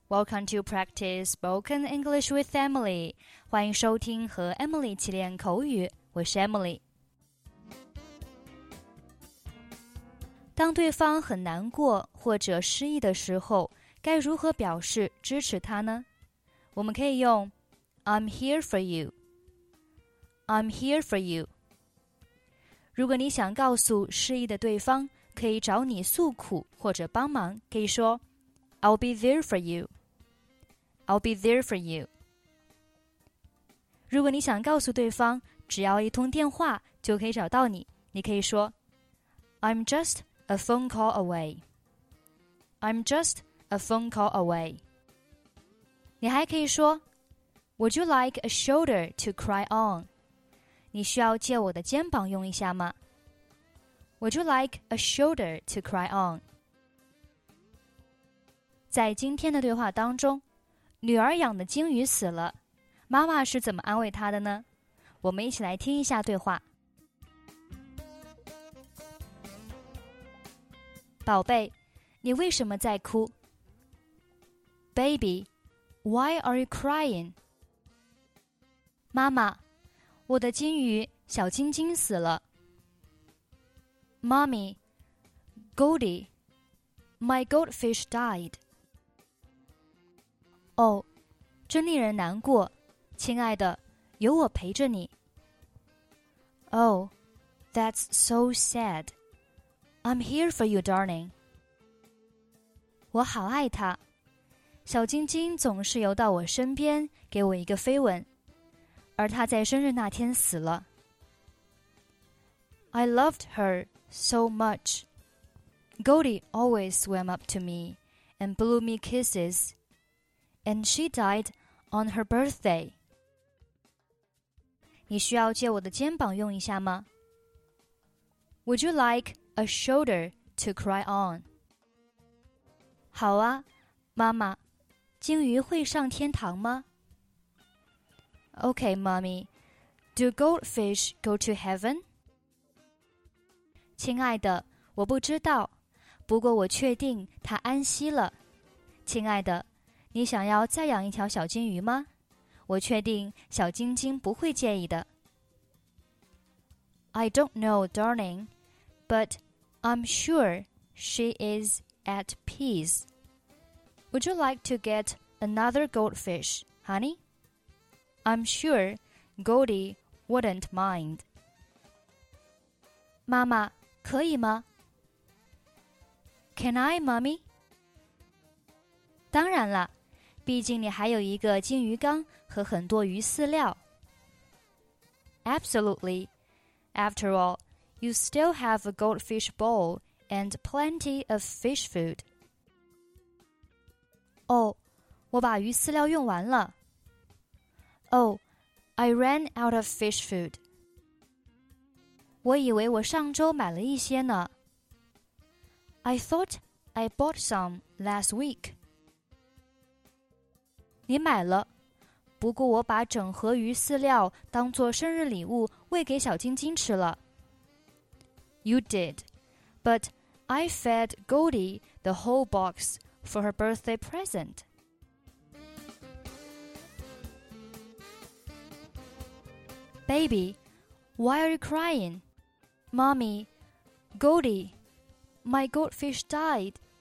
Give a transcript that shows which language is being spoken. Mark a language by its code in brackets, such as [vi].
[en] Welcome to Practice Spoken English with Emily. [zh] 欢迎收听和 Emily 一起练口语。我是 Emily。当对方很难过或者失意的时候，该如何表示支持他呢？我们可以用 [en] I'm here for you. I'm here for you. [zh] 如果你想告诉失意的对方，可以找你诉苦或者帮忙，可以说 [en] I'll be there for you. I'll be there for you. [zh] 如果你想告诉对方，只要一通电话就可以找到你，你可以说 [en] I'm just a phone call away. I'm just a phone call away. [zh] 你还可以说 [en] Would you like a shoulder to cry on? [zh] 你需要借我的肩膀用一下吗？ [en] Would you like a shoulder to cry on? [zh] 在今天的对话当中，女儿养的鲸鱼死了，妈妈是怎么安慰她的呢？我们一起来听一下对话。宝贝，你为什么在哭？ [en] Baby, why are you crying? [zh] 妈妈，我的鲸鱼小晶晶死了。 [en] Mommy, Goldie, my goldfish died. [zh] 哦，真令人难过，亲爱的，有我陪着你。 [en] Oh, that's so sad. I'm here for you, darling. [zh] 我好爱他，小晶晶总是游到我身边，给我一个飞吻，而他在生日那天死了。 [en] I loved her so much. Goldie always swam up to me and blew me kisses. And she died on her birthday. [zh] 你需要借我的肩膀用一下吗？ [en] Would you like a shoulder to cry on? [zh] 好啊，妈妈，鲸鱼会上天堂吗？ [en] Okay, mommy. Do goldfish go to heaven? [zh] 亲爱的，我不知道，不过我确定它安息了。亲爱的，你想要再养一条小金鱼吗？我确定小金晶不会介意的。 [en] I don't know, darling, but I'm sure she is at peace. Would you like to get another goldfish, honey? I'm sure Goldie wouldn't mind. [zh] 妈妈，可以吗？ [en] Can I, mommy? [zh] 当然了。毕竟你还有一个鲸鱼缸和很多鱼饲料。 [en] Absolutely. After all, you still have a goldfish bowl and plenty of fish food. [zh] 哦，我把鱼饲料用完了。 [en] Oh, I ran out of fish food. [zh] 我以为我上周买了一些呢。 [en] I thought I bought some last week. [zh] 你买了，不过我把整盒鱼饲料当作生日礼物喂给小晶晶吃了。 [en] You did, but I fed Goldie the whole box for her birthday present. Baby, why are you crying? Mommy, Goldie, my goldfish died.